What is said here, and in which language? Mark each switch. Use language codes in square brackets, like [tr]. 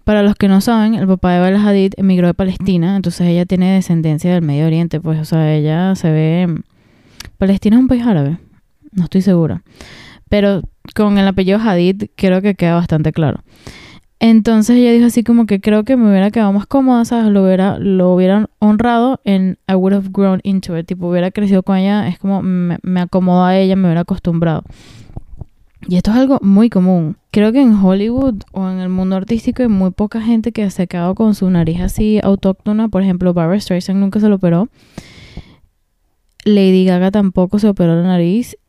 [es] Para los que no saben, el papá de Bella Hadid emigró de Palestina, entonces ella tiene descendencia del Medio Oriente, pues, o sea, ella se ve... ¿Palestina es un país árabe? No estoy segura. Pero con el apellido Hadid creo que queda bastante claro. Entonces ella dijo así como que, creo que me hubiera quedado más cómoda, ¿sabes? Lo hubiera honrado en [en] I would have grown into it. [es] Tipo, hubiera crecido con ella, es como me acomodó a ella, me hubiera acostumbrado. Y esto es algo muy común. Creo que en Hollywood o en el mundo artístico hay muy poca gente que se ha quedado con su nariz así autóctona. Por ejemplo, Barbra Streisand nunca se lo operó. Lady Gaga tampoco se operó la nariz.